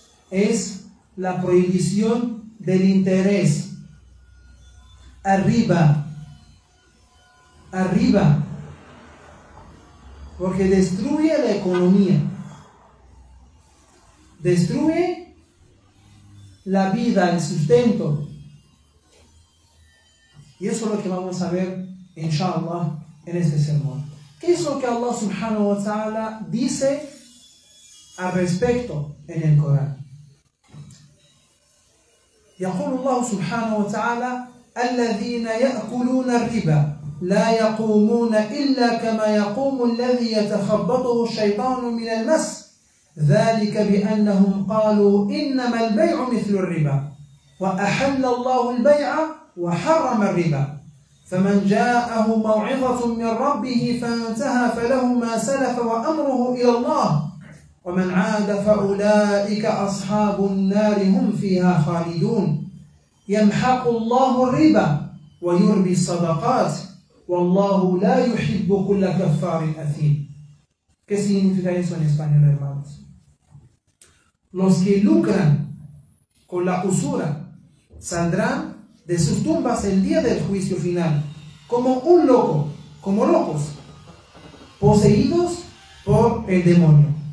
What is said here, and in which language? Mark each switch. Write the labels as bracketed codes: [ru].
[es] es la prohibición del interés, arriba, porque destruye la economía, destruye la vida, el sustento. Y eso es lo que vamos a ver, inshallah, en este sermón. ¿Qué es lo que Allah subhanahu wa ta'ala dice al respecto en el Corán? [ar] يقول الله سبحانه وتعالى الذين يأكلون الربا لا يقومون إلا كما يقوم الذي يتخبطه الشيطان من المس ذلك بأنهم قالوا إنما البيع مثل الربا وأحل الله البيع وحرم الربا فمن جاءه موعظة من ربه فانتهى فله ما سلف وأمره إلى الله ومن عاد فأولئك أصحاب النار هم فيها خالدون يمحق الله الربا ويربي الصدقات والله لا يحب كل كفار أثيم. [es] ¿Qué significa eso en español, hermanos? Los que lucran con la usura saldrán de sus tumbas el día del juicio final, como un loco, como locos, poseídos por el demonio.